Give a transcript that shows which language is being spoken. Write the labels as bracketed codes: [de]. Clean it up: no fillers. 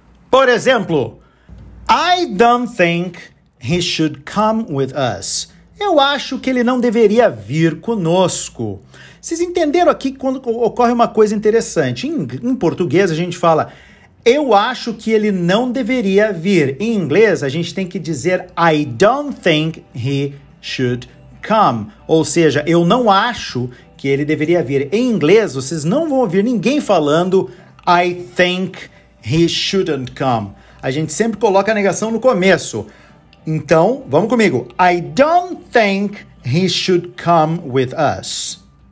[en] Por exemplo, I don't think he should come with us. [pt] Eu acho que ele não deveria vir conosco. Vocês entenderam aqui quando ocorre uma coisa interessante. Em português a gente fala, eu acho que ele não deveria vir. Em inglês a gente tem que dizer, I don't think he should come. Ou seja, eu não acho que ele deveria vir. Em inglês vocês não vão ouvir ninguém falando, I think he shouldn't come. A gente sempre coloca a negação no começo. Então, vamos comigo. [en] I don't think he should come with us.